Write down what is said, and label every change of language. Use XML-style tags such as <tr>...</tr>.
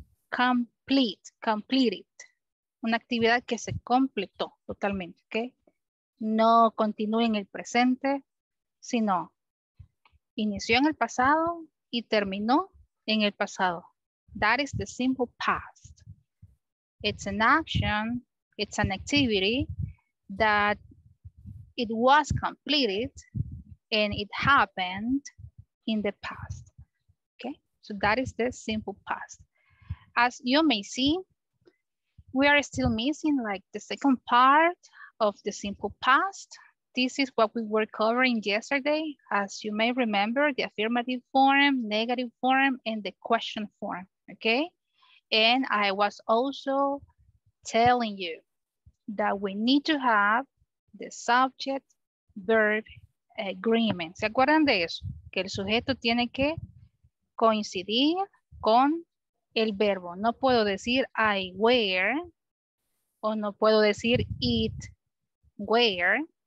<en>Complete, completed.</en> <es>Una actividad que se completó totalmente, ¿ok? No continúe en el presente, sino inició en el pasado y terminó en el pasado.</es> <en>That is the simple past. It's an action, it's an activity that it was completed and it happened in the past. Okay, so that is the simple past. As you may see, we are still missing like the second part of the simple past. This is what we were covering yesterday. As you may remember, the affirmative form, negative form, and the question form, okay? And I was also telling you that we need to have the subject verb agreement.</en> <es>¿Se acuerdan de eso? Que el sujeto tiene que coincidir con el verbo. No puedo decir I wear o no puedo decir it wear.</es>